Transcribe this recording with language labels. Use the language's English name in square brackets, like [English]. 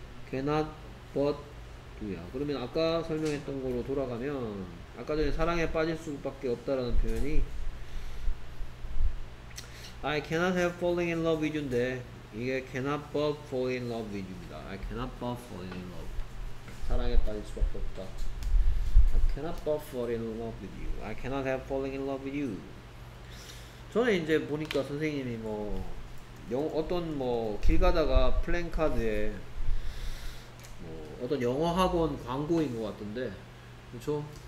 [English] cannot but do [Korean] 야. 그러면 아까 설명했던 거로 돌아가면 아까 전에 사랑에 빠질 수밖에 없다라는 표현이 [English] I cannot help falling in love with you [Korean] 인데 이게 [English] cannot but fall in love with you [Korean] 입니다. [English] I cannot but fall in love. [Korean] 사랑에 빠질 수밖에 없다. [English] I cannot but fall in love with you. I cannot help falling in love with you. [Korean] 저는 이제 보니까 선생님이 뭐 어떤 뭐 길 가다가 플랜카드에 뭐 어떤 영어 학원 광고인 것 같던데 그쵸?